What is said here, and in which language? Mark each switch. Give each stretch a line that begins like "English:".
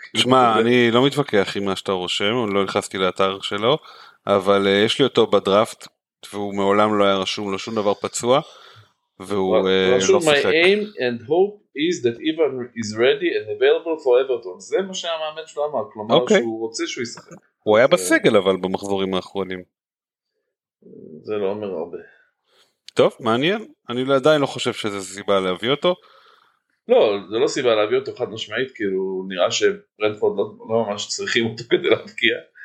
Hebrew: תשמע, אני לא מתווכח עם מה שאתה רושם, לא נכנסתי לאתר שלו, אבל יש לי אותו בדראפט, והוא מעולם לא היה רשום לו שום דבר פצוע, והוא לא שחק.
English: My aim and hope is that Ivan is ready and available for Everton.
Hebrew: זה מה שהמאמן שלו אמר, כלומר שהוא רוצה שהוא ישחק. הוא היה בסגל אבל במחזורים האחרונים. זה לא אומר הרבה. טוב, מעניין. אני עדיין לא חושב שזה סיבה להביא אותו. לא, זה לא סיבה להביא אותו חד משמעית, כי הוא נראה שברנדפורד לא ממש צריכים אותו כדי להפקיע.